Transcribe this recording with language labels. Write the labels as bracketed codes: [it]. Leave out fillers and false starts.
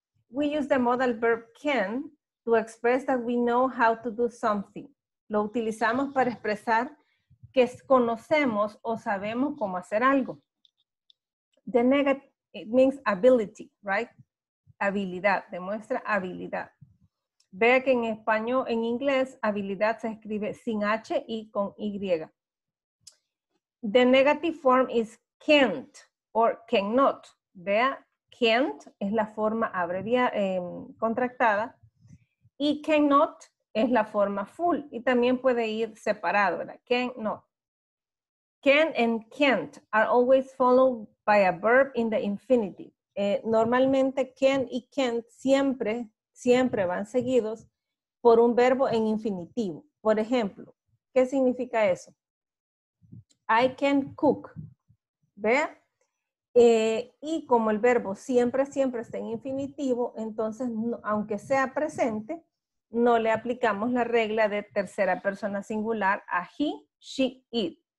[en] We use the modal verb can to express that we know how to do something. [es] Lo utilizamos para expresar que conocemos o sabemos cómo hacer algo. [en] The negative, it means ability, right? [es] Habilidad, demuestra habilidad. Vea que en español, en inglés, habilidad se escribe sin H y con Y. [en] The negative form is can't or cannot. [es] Vea, can't es la forma abreviada, contractada. Y cannot es la forma full. Y también puede ir separado, ¿verdad? Cannot. [en] Can and can't are always followed by a verb in the infinitive. [es] Normalmente, can y can't siempre... siempre van seguidos por un verbo en infinitivo. Por ejemplo, ¿qué significa eso? [en] I can cook. [es] ¿Vea? Y como el verbo siempre, siempre está en infinitivo, entonces, no, aunque sea presente, no le aplicamos la regla de tercera persona singular a he, she, it.